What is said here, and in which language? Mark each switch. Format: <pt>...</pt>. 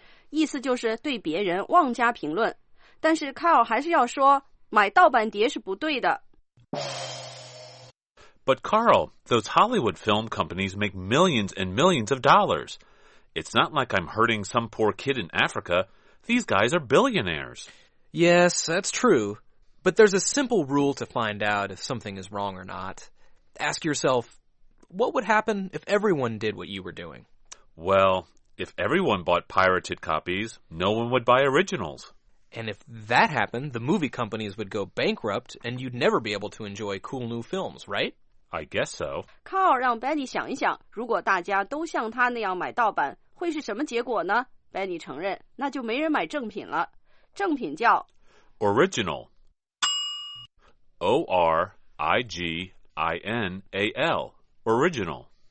<zh>意思就是对别人妄加评论，但是 Carl 还是要说买盗版碟是不对的。</zh> <en>But Carl, those Hollywood film companies make millions and millions of dollars. It's not like I'm hurting some poor kid in Africa. These guys are billionaires. Yes, that's true. But there's a simple rule to find out if something is wrong or not. Ask yourself, what would happen if everyone did what you were doing? Well...If everyone bought pirated copies, no one would buy originals. And if that happened, the movie companies would go bankrupt, and you'd never be able to enjoy cool new films, right? I guess so.</en> <zh>Carl 让 Benny 想一想，如果大家都像他那样买盗版，会是什么结果呢？ Benny 承认，那就没人买正品了。正品叫</zh> <en>Original. O-R-I-G-I-N-A-L. Original.</en>